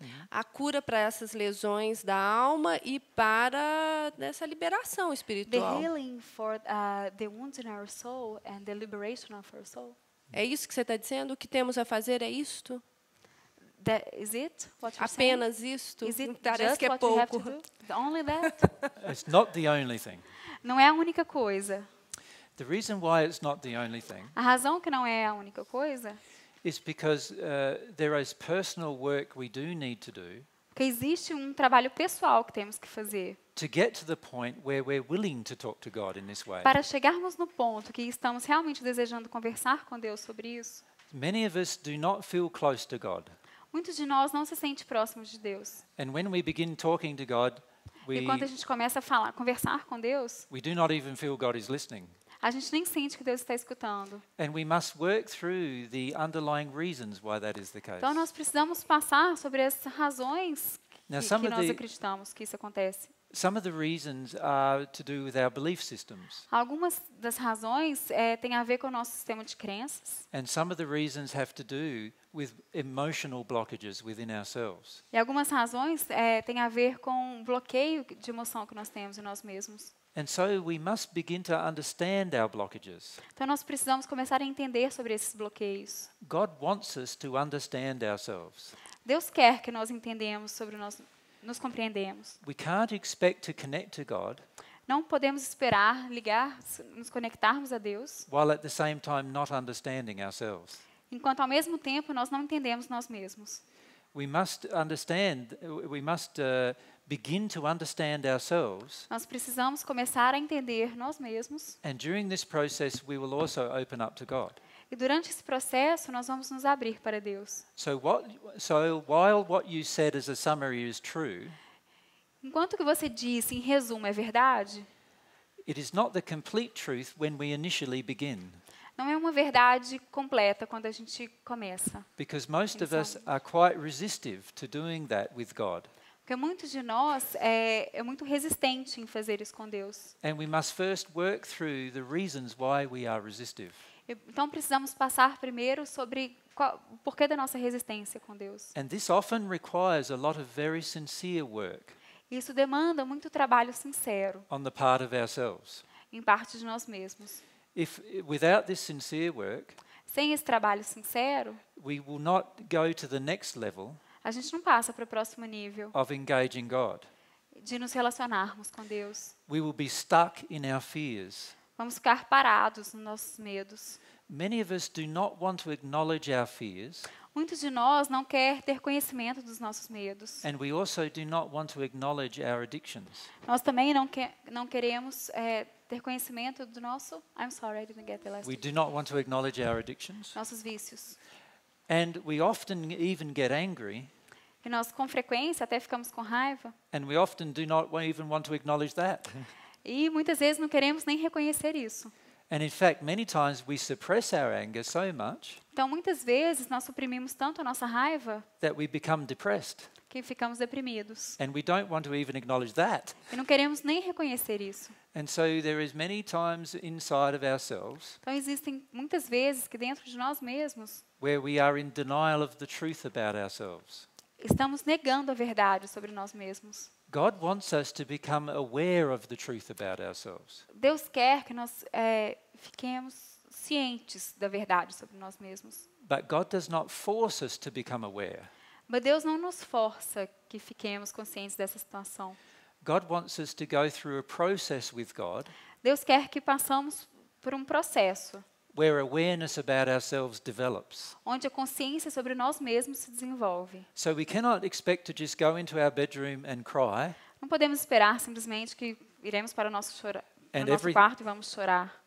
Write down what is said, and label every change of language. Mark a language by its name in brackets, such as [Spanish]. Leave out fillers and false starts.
[Portuguese] A cura para essas lesões da alma e para essa liberação espiritual. [English] The healing for the wounds in our soul and the liberation of our soul. [Portuguese] É isso que você está dizendo? O que temos a fazer é isto? [English] That is it? What you're [Portuguese] apenas [English] saying? [Portuguese] Isto? [English] Is it [Portuguese] parece [English] just [Portuguese] que é [English] what [Portuguese] pouco. [English] The only that? It's not the only thing. [Portuguese] Não é a única coisa. [English] The reason why it's not the only thing. [Portuguese] A razão que não é a única coisa. [English] Is because there is personal work we do need to do. [Portuguese] Que existe um trabalho pessoal que temos que fazer. [English] To get to the point where we're willing to talk to God in this way. [Portuguese] Para chegarmos no ponto que estamos realmente desejando conversar com Deus sobre isso. [English] Many of us do not feel close to God. [Portuguese] Muitos de nós não se sente próximos de Deus. [English] And when we begin talking to God, [Portuguese] e quando a gente começa a falar, conversar com Deus, [English] we do not even feel God is listening. [Portuguese] A gente nem sente que Deus está escutando. [English] And we must work through the underlying reasons why that is the case. [Portuguese] Então nós precisamos passar sobre as razões que nós acreditamos que isso acontece. [English] Some of the reasons are to do with our belief systems. [Portuguese] Algumas das razões têm a ver com o nosso sistema de crenças. [English] And some of the reasons have to do with emotional blockages within ourselves. [Portuguese] E algumas razões têm a ver com o bloqueio de emoção que nós temos em nós mesmos. [English] And so we must begin to understand our blockages. [Portuguese] Então nós precisamos começar a entender sobre esses bloqueios. [English] God wants us to understand ourselves. [Portuguese] Deus quer que nós entendamos sobre nós, nos compreendemos. [English] We can't expect to connect to God. [Portuguese] Não podemos esperar ligar, nos conectarmos a Deus. [English] While at the same time not understanding ourselves. [Portuguese] Enquanto ao mesmo tempo nós não entendemos nós mesmos. [English] We must understand. We must. Begin to understand ourselves. [Portuguese] Nós precisamos começar a entender nós mesmos. [English] And during this process, we will also open up to God. [Portuguese] E durante esse processo, nós vamos nos abrir para Deus. [English] So while what you said as a summary is true, [Portuguese] enquanto que você disse em resumo é verdade, [English] it is not the complete truth when we initially begin. [Portuguese] Não é uma verdade completa quando a gente começa. [English] Because most of us are quite resistive to doing that with God. [Portuguese] Porque muitos de nós é muito resistente em fazer isso com Deus. [English] And we must first work through the reasons why we are resistive. [Portuguese] Então precisamos passar primeiro sobre o porquê da nossa resistência com Deus. [English] And this often requires a lot of very sincere work. [Portuguese] Isso demanda muito trabalho sincero. [English] On the part of ourselves. [Portuguese] Em parte de nós mesmos. [English] If without this sincere work, [Portuguese] sem esse trabalho sincero, [English] we will not go to the next level. [Portuguese] A gente não passa para o próximo nível [English] of engaging God. [Portuguese] De nos relacionarmos com Deus. [English] We will be stuck in our fears. [Portuguese] Vamos ficar parados nos nossos medos. [English] Many of us do not want to acknowledge our fears. [Portuguese] Muitos de nós não quer ter conhecimento dos nossos medos. [English] And we also do not want to acknowledge our addictions. [Portuguese] Nós também não queremos ter conhecimento do nosso [English] I'm sorry, I didn't get the last We week. Do not want to acknowledge our addictions. [Portuguese] Nossos vícios. [English] And we often even get angry. [Portuguese] E nós com frequência até ficamos com raiva. [English] And we often do not even want to acknowledge that. [Portuguese] E muitas vezes não queremos nem reconhecer isso. [English] And in fact, many times we suppress our anger so much. [Portuguese] Então muitas vezes nós suprimimos tanto a nossa raiva. [English] That we become depressed. [Portuguese] Que ficamos deprimidos. [English] And we don't want to even acknowledge that. [Portuguese] E não queremos nem reconhecer isso. [English] And so there is many times inside of ourselves. [Portuguese] Então existem muitas vezes que dentro de nós mesmos. [English] Where we are in denial of the truth about ourselves. [Portuguese] Estamos negando a verdade sobre nós mesmos. [English] God wants us to become aware of the truth about ourselves. [Portuguese] Deus quer que nós fiquemos cientes da verdade sobre nós mesmos. [English] But God does not force us to become aware. [Portuguese] Mas Deus não nos força que fiquemos conscientes dessa situação. [English] God wants us to go through a process with God. [Portuguese] Deus quer que passamos por um processo. [English] Where awareness about ourselves develops. [Portuguese] Onde a consciência sobre nós mesmos se desenvolve. [English] So we cannot expect to just go into our bedroom and cry. [Portuguese] Não podemos esperar simplesmente que iremos para o nosso quarto e vamos chorar.